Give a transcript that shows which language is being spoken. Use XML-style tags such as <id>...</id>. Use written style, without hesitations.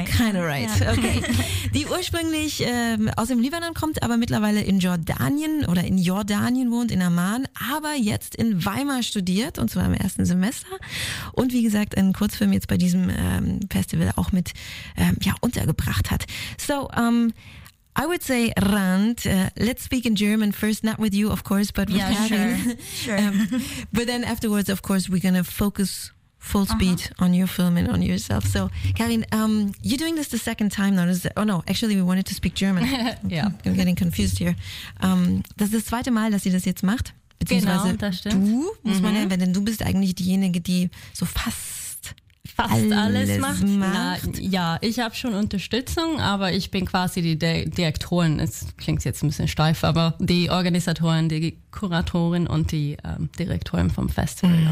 <en>It was kind of right, yeah. Okay.</en> <de>Die ursprünglich aus dem Libanon kommt, aber mittlerweile in Jordanien oder in Jordanien wohnt, in Amman, aber jetzt in Weimar studiert und zwar im ersten Semester. Und wie gesagt, einen Kurzfilm jetzt bei diesem Festival auch mit untergebracht hat.</de> <en>So, I would say, Rand, let's speak in German first, not with you, of course, but with Karin. Sure. But then afterwards, of course, we're going to focus full speed on your film and on yourself. So, Karin, you're doing this the second time now. Actually, we wanted to speak German. Yeah. I'm getting confused here.</en> <de>Das ist das zweite Mal, dass sie das jetzt macht. Beziehungsweise genau, das stimmt. Du, muss man erwähnen, denn du bist eigentlich diejenige, die so fast alles macht. Ich habe schon Unterstützung, aber ich bin quasi die Direktorin, es klingt jetzt ein bisschen steif, aber die Organisatorin, die Kuratorin und die Direktorin vom Festival. Mhm.</de>